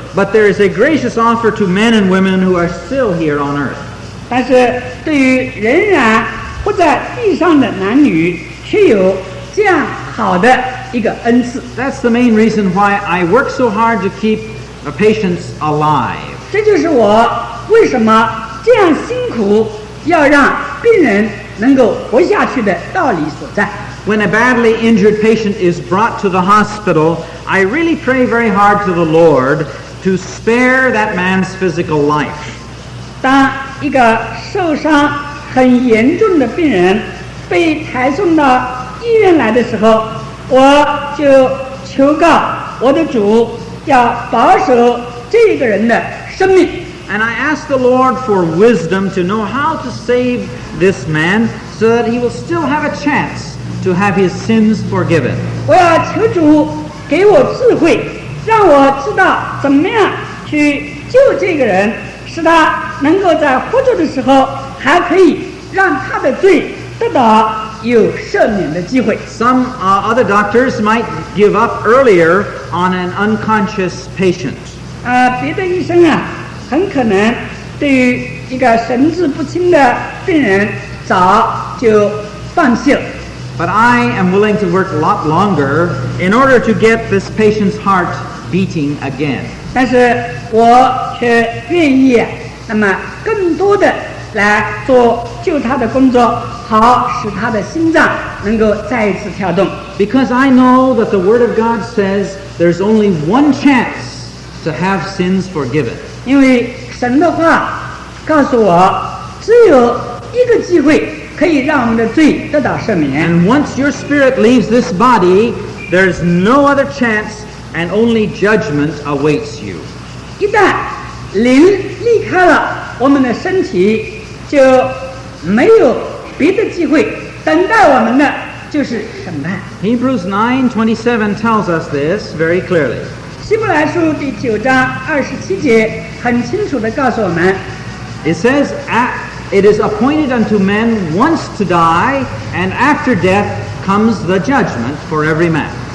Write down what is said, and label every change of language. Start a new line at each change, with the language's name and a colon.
English: But there is a gracious offer to men and women who are still here on earth.
Chinese: 但是对于仍然活在地上的男女，却有这样好的一个恩赐。
English: That's the main reason why I work so hard to keep the patients alive.
Chinese: 这就是我为什么这样辛苦要让病人能够活下去的道理所在。
English: When a badly injured patient is brought to the hospital, I really pray very hard to the Lord to spare that man's physical life.
Chinese: 当一个受伤很严重的病人被抬送到医院来的时候，我就求告我的主要保守这个人的生命。
English: And I ask the Lord for wisdom to know how to save this man so that he will still have a chance to have his sins forgiven.
Chinese: 我要求主给我智慧，让我知道怎么样去救这个人，使他能够在活着的时候还可以让他的罪得到有赦免的机会。
English: Some other doctors might give up earlier on an unconscious patient.
Chinese: 别的医生啊，很可能对于一个神志不清的病人早就放弃了。
English: But I am willing to work a lot longer in order to get this patient's heart beating again.
Chinese: 但是我却愿意那么更多的来做救他的工作，好使他的心脏能够再一次跳动。
English: Because I know that the Word of God says there's only one chance to have sins forgiven.
Chinese: 因为神的话告诉我，只有一个机会
English: And once your spirit leaves this body, there's no other chance, and only judgment awaits you.
Chinese: 一旦灵离开了我们的身体，就没有别的机会等待我们的，就是审判。
English: Hebrews 9:27 tells us this very clearly.
Chinese: 希伯来书第九章二十七节很清楚地告诉我们。
English: It says, it is appointed unto men once to die, and after death comes the judgment for every man.